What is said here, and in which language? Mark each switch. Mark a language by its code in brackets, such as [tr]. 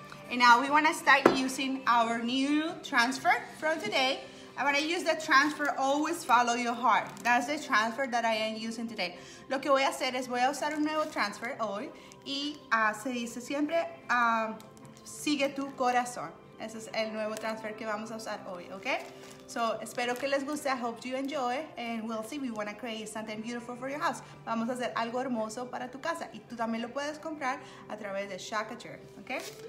[en] And now we want to start using our new transfer from today. I want to use the transfer, always follow your heart. That's the transfer that I am using today. [es] Lo que voy a hacer es voy a usar un nuevo transfer hoy. Y se dice siempre, sigue tu corazón. Ese es el nuevo transfer que vamos a usar hoy, okay? [en] So, [es] espero que les guste, [en] I hope you enjoy, and we'll see, we want to create something beautiful for your house. [es] Vamos a hacer algo hermoso para tu casa, y tú también lo puedes comprar a través de couture, okay?